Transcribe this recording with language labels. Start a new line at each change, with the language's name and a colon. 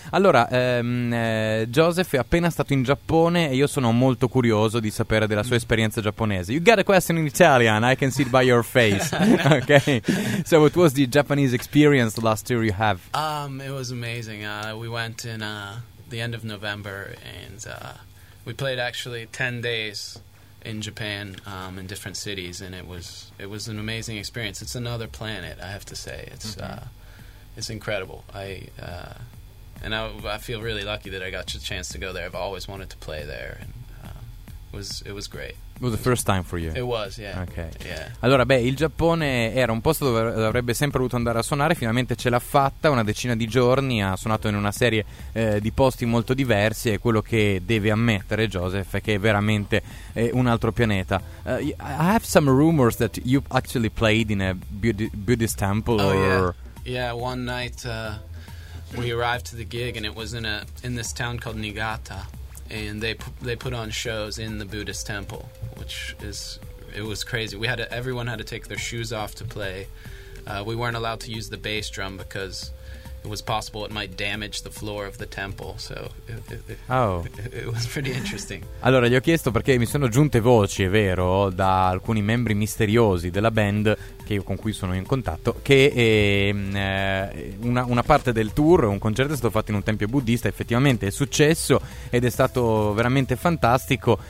Italian: Allora, Joseph è appena stato in Giappone e io sono molto curioso di sapere della sua esperienza giapponese.
English: You got a question in Italian, I can see it by your face. Okay. So, what was the Japanese experience last year you have? It was amazing. We went in the end of November, and we played actually 10 days in Japan, in different cities, and it was an amazing experience. It's another planet, I have to say. It's it's incredible. I feel really lucky that I got the chance to go there. I've always wanted to play there, and it was great. Was the first time for you? It was, yeah. Okay. Yeah.
Italian: Allora, il Giappone era un posto dove avrebbe sempre voluto andare a suonare. Finalmente ce l'ha fatta, una decina di giorni. Ha suonato in una serie di posti molto diversi. E quello che deve ammettere Joseph è che è veramente un altro pianeta.
English: I have some rumors that you actually played in a Buddhist temple. Oh, or... yeah, one night we arrived to the gig, and it was in this town called Niigata. And they put on shows in the Buddhist temple, which was crazy. Everyone had to take their shoes off to play. We weren't allowed to use the bass drum because it was possible it might damage the floor of the temple. So it was pretty interesting.
Italian: Allora, gli ho chiesto perché mi sono giunte voci, è vero, da alcuni membri misteriosi della band con cui sono in contatto, che una parte del tour, un concerto, è stato fatto in un tempio buddista. Effettivamente è successo ed è stato veramente fantastico.